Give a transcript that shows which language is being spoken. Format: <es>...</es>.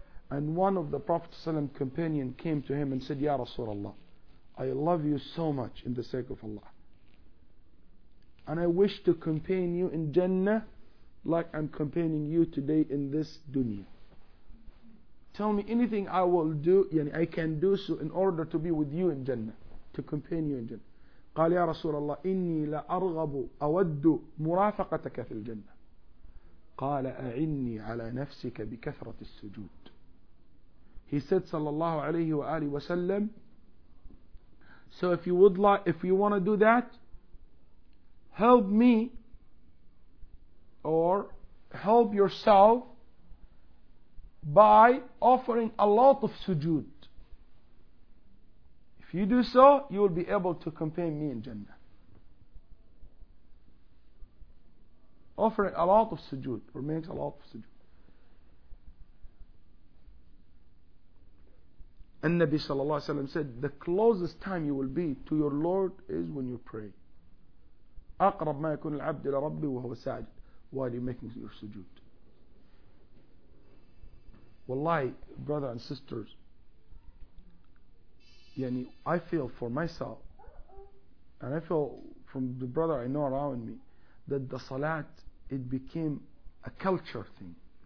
<en>And one of the Prophet ﷺ companion came to him and said, Ya Rasulallah, I love you so much in the sake of Allah. And I wish to companion you in Jannah like I'm companioning you today in this dunya. Tell me anything I will do, I can do so in order to be with you in Jannah, to companion you in Jannah.</en> <ar>قال يا رسول الله إني لأرغب أود مرافقتك في الجنة. قال أعني على نفسك بكثرة السجود.</ar> <en>He said, sallallahu alayhi wa alihi wa sallam, so if you would like, if you want to do that, help me or help yourself by offering a lot of sujood. If you do so, you will be able to companion me in Jannah. Offering a lot of sujood, or makes a lot of sujood. And Nabi sallallahu alayhi wa sallam said, the closest time you will be to your Lord is when you pray.</en> <ar>أقرب ما يكون العبد إلى ربي وهو ساجد</ar> <en>while you're making your sujood. Wallahi, brother and sisters, I feel for myself, and I feel from the brother I know around me, that the salat, it became a culture thing.</en>